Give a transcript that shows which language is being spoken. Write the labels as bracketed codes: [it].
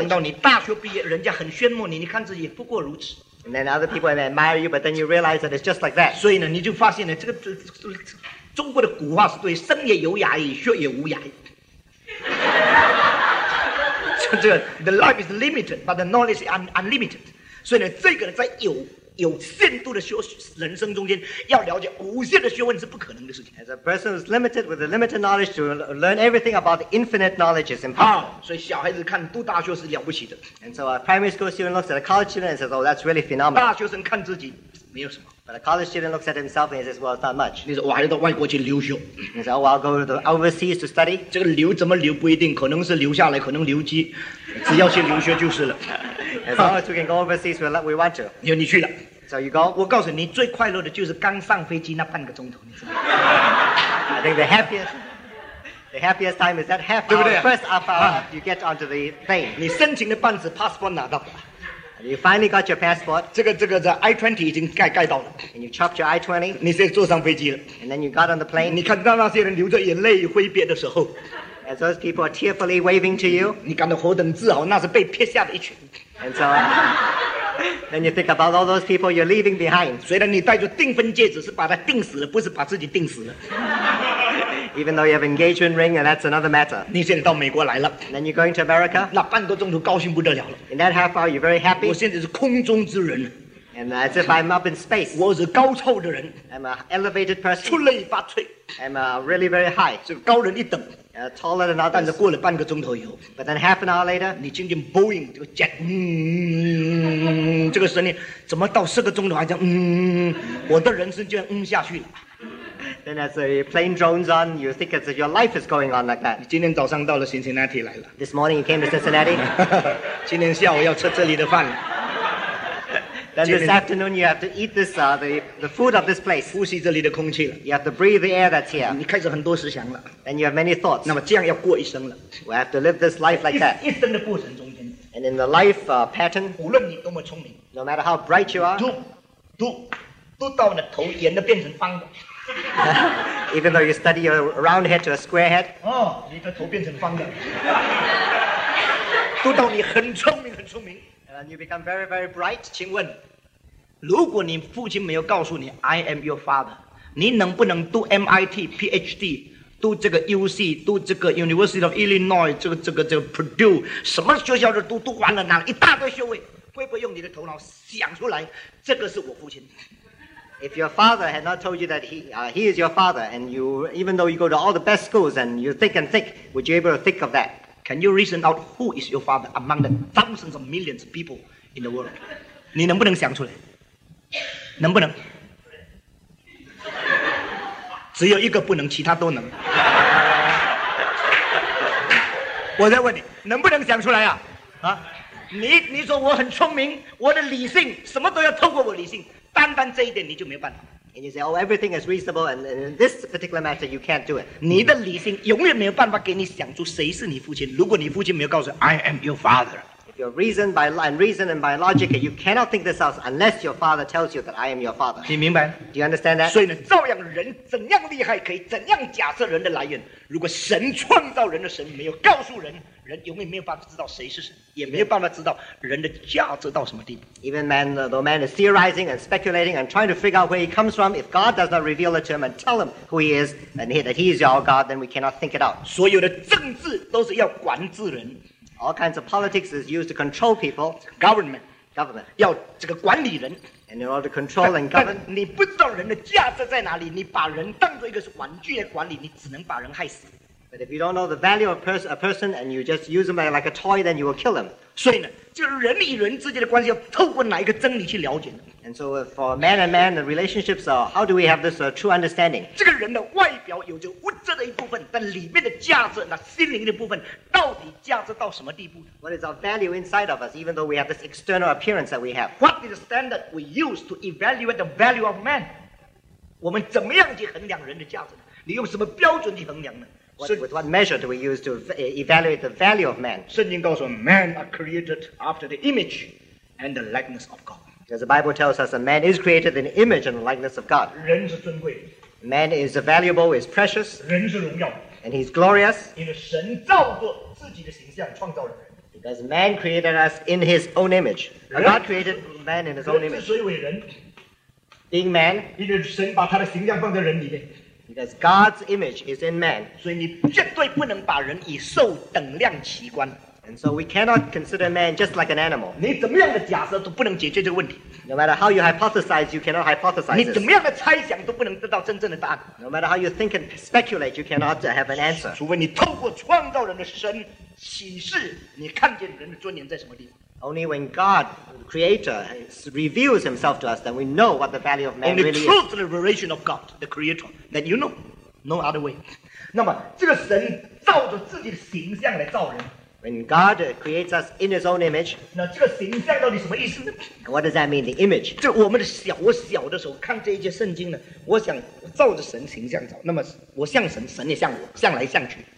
[zh] 等到你大学毕业，人家很羡慕你，你看自己不过如此。 [en] And then other people admire you, but then you realize that it's just like that. [zh] 所以呢，你就发现呢，这个中国的古话是对，生也有涯矣，学也无涯矣。 [en] The life is limited, but the knowledge is unlimited. [zh] 所以呢，这个在有限度的人生中间，要了解无限的学问是不可能的事情。 [en] As a person who's limited with a limited knowledge to learn everything about the infinite knowledge is impossible. [zh] 所以小孩子看读大学是了不起的。 [en] And so a primary school student looks at a college student and says, "Oh, that's really phenomenal." [zh] 大学生看自己没有什么。 [en] But a college student looks at himself and says, "Well, it's not much." [zh] 你说我还要到外国去留学。 [en] He says, "Oh, I'll go to overseas to study." [zh] 这个留怎么留不一定，可能是留下来，可能留级，只要去留学就是了。 [en] As long as we can go overseas, we want to. [zh] 有你去了。 [en] So you go. [zh] 我告诉你，最快乐的就是刚上飞机那半个钟头。 [en] I think the happiest time is that half hour. First half hour, you get onto the plane. [zh] 你申请的办事 passport 拿到了。 [en] You finally got your passport. [zh] 这个在 I-20 已经盖到了。 [en] And you chopped your I-20. [zh] 你现在坐上飞机了。 [en] And then you got on the plane. [zh] 你看到那些人流着眼泪挥别的时候。 [en] As those people are tearfully waving to you. [zh] 你感到何等自豪，那是被撇下的一群。 [en] And so, then you think about all those people you're leaving behind. [zh] 虽然你戴着订婚戒指是把它钉死了，不是把自己钉死了。 [en] Even though you have engagement ring, and that's another matter. [zh] 你现在到美国来了。 [en] Then you're going to America. [zh] 那半个钟头高兴不得了了。 [en] In that half hour, you're very happy. [zh] 我现在是空中之人。 [en] And as if I'm up in space. [zh] 我是高超的人。 [en] I'm an elevated person. [zh] 出类拔萃。 [en] I'm really very high. [zh] 是高人一等。 [en] Taller than others. [zh] 但是过了半个钟头以后 [en] ，But then half an hour later, [zh] 你听见 Boeing 这个 jet， 这个声音，怎么到四个钟头还这样？我的人生就要下去了。 [en] Then as the plane drones on, you think as if your life is going on like that. [zh] 你今天早上到了 Cincinnati 来了。 [en] This morning you came to Cincinnati. [zh] 今天下午要吃这里的饭。 [en] Then this afternoon you have to eat this, the food of this place. [zh] 呼吸这里的空气了。 [en] You have to breathe the air that's here. [zh] 你开始很多思想了。 [en] Then you have many thoughts. [zh] 那么这样要过一生了。 [en] We have to live this life like that. [zh] 一生的过程中间。 [en] And in the life pattern, [zh] 无论你多么聪明。 [en] No matter how bright you are, [zh] 都到你的头圆的变成方的。 [en] Even though you study your round head to a square head, [zh] 你的头变成方的。都到你很聪明很聪明。 [en] And you become very, very bright. [zh] 请问，如果你父亲没有告诉你 [en] I am your father, [zh] 你能不能读 MIT, PhD, 读这个 UC, 读这个 University of Illinois, 这个 Purdue, 什么学校的都读完了哪一大堆学位，会不会用你的头脑想出来，这个是我父亲。 [en] If your father had not told you that he is your father, and you, even though you go to all the best schools and you think and think, would you be able to think of that? Can you reason out who is your father among the thousands of millions of people in the world? [zh] 你能不能想出来？能不能？只有一个不能，其他都能。我再问你，能不能想出来啊？你说我很聪明，我的理性什么都要透过我理性，单单这一点你就没办法。 [en] And you say, oh, everything is reasonable, and in this particular matter, you can't do it. [zh] 你的理性永远没有办法给你想出谁是你父亲，如果你父亲没有告诉 [en] I am your father. If your reason by, and reason and by logic, you cannot think this out unless your father tells you that I am your father. [zh] 你明白？ [en] Do you understand that? [zh] 所以呢，照样人怎样厉害，可以怎样假设人的来源，如果神创造人的神没有告诉人，人永远没有办法知道谁是神，也没有办法知道人的价值到什么地步。 [en] Even man, though man is theorizing and speculating and trying to figure out where he comes from, if God does not reveal it to him and tell him who he is and that he is our God, then we cannot think it out. [zh] 所有的政治都是要管制人。 [en] All kinds of politics is used to control people. [zh] Government. 要这个管理人。 [en] And in order to control and govern. [zh] 但你不知道人的价值在哪里，你把人当作一个是玩具来管理，你只能把人害死。 [en] But if you don't know the value of a person and you just use them like a toy, then you will kill them. [zh] 所以呢，就是人与人之间的关系要透过哪一个真理去了解呢？ [en] And so for man and man, the relationships are, how do we have this true understanding? [zh] 这个人的外表有着物质的一部分，但里面的价值，那心灵的部分，到底价值到什么地步呢？ [en] What is our value inside of us, even though we have this external appearance that we have? What is the standard we use to evaluate the value of man? [zh] 我们怎么样去衡量人的价值呢？你用什么标准去衡量呢？ [en] With what measure do we use to evaluate the value of man? [zh] 圣经告诉我们 [en] man are created after the image and the likeness of God. Because the Bible tells us that man is created in the image and the likeness of God. [zh] 人是尊贵。 [en] Man is valuable, is precious. [zh] 人是荣耀。 [en] And he's glorious. [zh] 因为神造作自己的形象创造人。 [en] Because man created us in his own image. God created man in his own image. [zh] 人之所以为人。 [en] Being man. [zh] 因为神把他的形象放在人里面。 [en] Because God's image is in man. [zh] 所以你绝对不能把人以兽等量齐观。 [en] And so we cannot consider man just like an animal. [zh] 你怎么样的假设都不能解决这个问题。 [en] No matter how you hypothesize, you cannot hypothesize. [zh] 你怎么样的猜想都不能得到真正的答案。 [en] No matter how you think and speculate, you cannot have an answer. [zh] 除非你透过创造人的神启示，你看见人的尊严在什么地方。 [en] Only when God, the Creator, reveals himself to us, then we know what the value of man Only really is. Only truth and revelation of God, the Creator, then you know. No other way. [zh] 那么这个神照着自己的形象来造人。 [en] When God creates us in his own image. [zh] 那这个形象到底什么意思呢？ [en] What does that mean, the image? [zh] 这我们的小，我小的时候看这一节圣经呢，我想照着神形象造，那么我像神，神也像我，像来像去。